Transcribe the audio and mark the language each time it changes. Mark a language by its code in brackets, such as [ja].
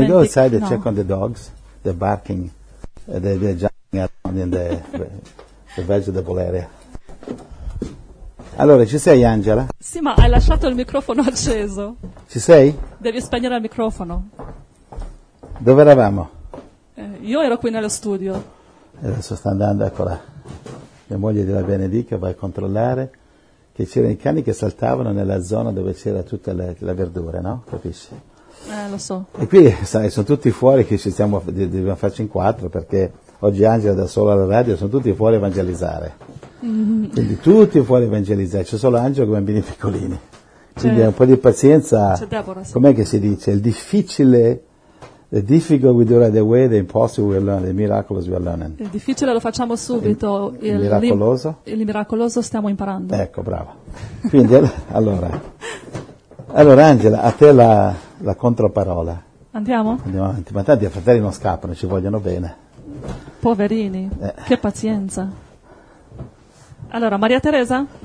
[en] And go outside and check on the dogs. They're barking. They're jumping. Yeah, in the vegetable area. [it] Allora, ci sei, Angela? Sì, ma hai lasciato il microfono acceso. Ci sei? Devi spegnere il microfono. Dove eravamo? Io ero qui nello studio. E adesso sta andando, eccola. Mia moglie della Benedica va a controllare che c'erano i cani che saltavano nella zona dove c'era tutta la verdura, no? Capisci? Lo so. E qui sai, sono tutti fuori che ci stiamo, dobbiamo farci in quattro perché oggi Angela da sola alla radio, sono tutti fuori a evangelizzare. Quindi tutti fuori a evangelizzare, c'è solo Angela con i bambini piccolini. Quindi un po' di pazienza. C'è Deborah, sì. Com'è che si dice? Il difficile, [en] the difficult we do right away, the impossible we learn, the miracles we are learning. [it] Il difficile lo facciamo subito. Il miracoloso? Il miracoloso stiamo imparando. Ecco, bravo. Quindi allora Angela, a te la controparola. Andiamo? Andiamo avanti. Ma tanti fratelli non scappano, ci vogliono bene. Poverini, che pazienza. Allora, Maria Teresa?